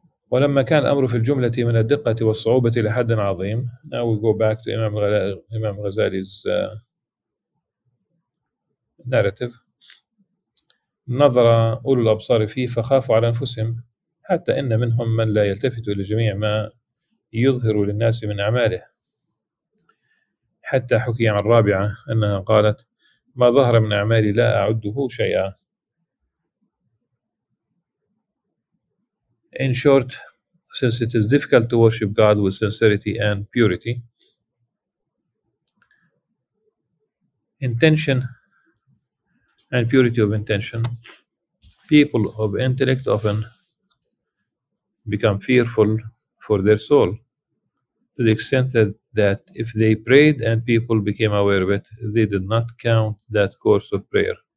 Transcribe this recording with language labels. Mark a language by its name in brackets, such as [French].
[Arabic] ولما كان الأمر في الجملة من الدقة والصعوبة لحد عظيم. [English] Now we go back to Imam Ghazali's narrative. [Arabic] نظر أولو الأبصار فيه فخافوا على أنفسهم حتى إن منهم من لا يلتفت لجميع ما يظهر للناس من أعماله. حتى حكي عن الرابعة أنها قالت ما ظهر من أعمالي لا أعده شيئا. [English] In short, since it is difficult to worship God with sincerity and purity, intention and purity of intention, people of intellect often become fearful for their soul to the extent that if they prayed and people became aware of it, they did not count that course of prayer.